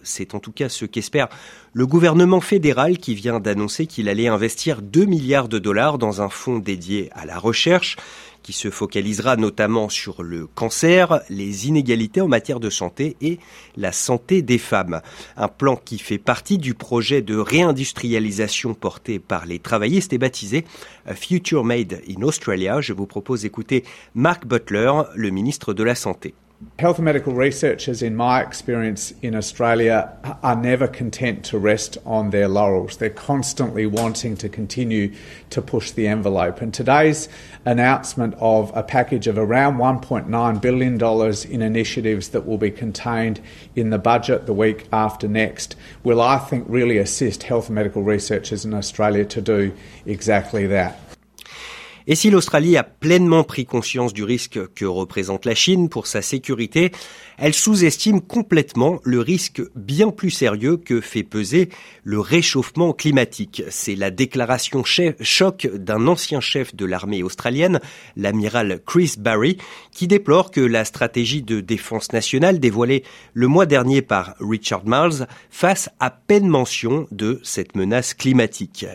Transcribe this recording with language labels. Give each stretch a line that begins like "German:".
French: C'est en tout cas ce qu'espère le gouvernement fédéral, qui vient d'annoncer qu'il allait investir 2 milliards de dollars dans un fonds dédié à la recherche, qui se focalisera notamment sur le cancer, les inégalités en matière de santé et la santé des femmes. Un plan qui fait partie du projet de réindustrialisation porté par les travaillistes et baptisé Future Made in Australia. Je vous propose d'écouter Mark Butler, le ministre de la Santé.
English: Health and medical researchers, in my experience in Australia, are never content to rest on their laurels. They're constantly wanting to continue to push the envelope. And today's announcement of a package of around $1.9 billion in initiatives that will be contained in the budget the week after next will, I think, really assist health and medical researchers in Australia to do exactly that.
French: Et si l'Australie a pleinement pris conscience du risque que représente la Chine pour sa sécurité, elle sous-estime complètement le risque bien plus sérieux que fait peser le réchauffement climatique. C'est la déclaration choc d'un ancien chef de l'armée australienne, l'amiral Chris Barry, qui déplore que la stratégie de défense nationale dévoilée le mois dernier par Richard Marles fasse à peine mention de cette menace climatique.